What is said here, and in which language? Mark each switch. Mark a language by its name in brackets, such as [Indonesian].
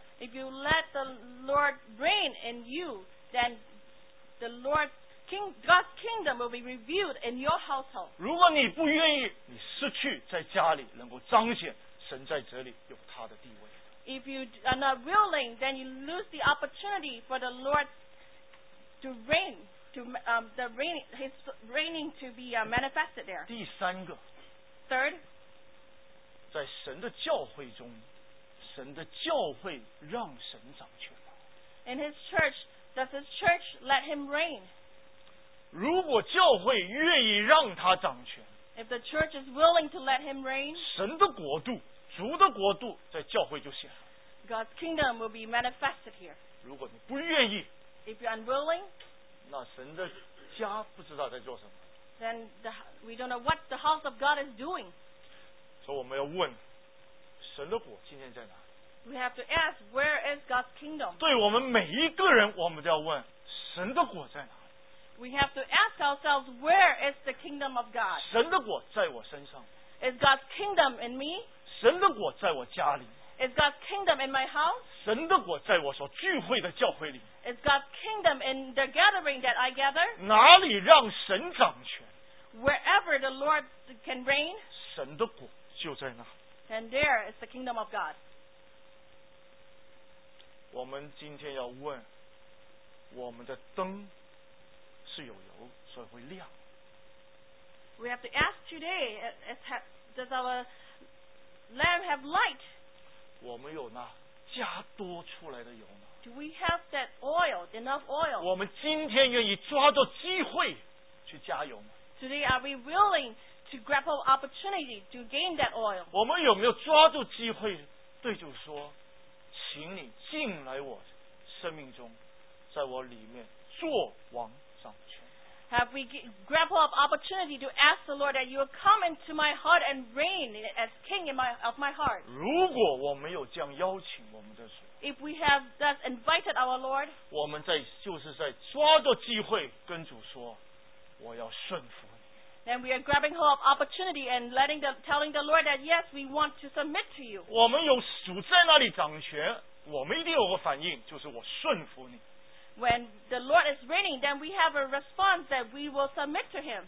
[English] If you let the Lord reign in you, then the Lord King, God's kingdom will be revealed in your household. [Chinese] 如果你不愿意，你失去在家里能够彰显神在这里有他的地位。 [English] If you are not willing, then you lose the opportunity for the Lord to reign, to the reign, His reigning to be manifested there. [Chinese] 第三个 [English] ，Third， [Chinese] 在神的教会中，神的教会让神掌权。 [English] In His church, does His church let Him reign? [Chinese] 如果教会愿意让他掌权 [English] ，If the church is willing to let Him reign, [Chinese] 神的国度。主的国度在教会就显了。 [English] God's kingdom will be manifested here. [Chinese] 如果你不愿意 [English] ，If you're unwilling， [Chinese] 那神的家不知道在做什么。 [English] Then we don't know what the house of God is doing. [Chinese] 所以我们要问，神的国今天在哪 [English] ？We have to ask where is God's kingdom. [Chinese] 对我们每一个人，我们都要问，神的国在哪 [English] ？We have to ask ourselves where is the kingdom of God. [Chinese] 神的国在我身上。 [English] Is God's kingdom in me？ [Chinese] 神的国在我家里。 [English] Is God's kingdom in my house? [Chinese] 神的国在我所聚会的教会里。 [English] Is God's kingdom in the gathering that I gather? [Chinese] 哪里让神掌权 [English] ？Wherever the Lord can reign. [Chinese] 神的国就在那。 [English] And there is the kingdom of God. [Chinese] 我们今天要问，我们的灯是有油，所以会亮。 [English] We have to ask today, does our Lamb have light? [Chinese] 我们有那加多出来的油吗 [English] ？Do we have that oil, enough oil? [Chinese] 我们今天愿意抓住机会去加油吗 [English] ？Today are we willing to grab an opportunity to gain that oil? [Chinese] 我们有没有抓住机会对主说，请你进来我生命中，在我里面做王掌权？ [English] Have we grappled up opportunity to ask the Lord that you will come into my heart and reign as king of my heart? [Chinese] 如果我没有这样邀请我们的主 [English] If we have thus invited our Lord, [Chinese] 我们在就是在抓住机会跟主说，我要顺服你。 [English] Then we are grabbing hold of opportunity and telling the Lord that yes, we want to submit to you. [Chinese] 我们有主在那里掌权，我们一定有个反应，就是我顺服你。 [English] When the Lord is reigning, then we have a response that we will submit to Him.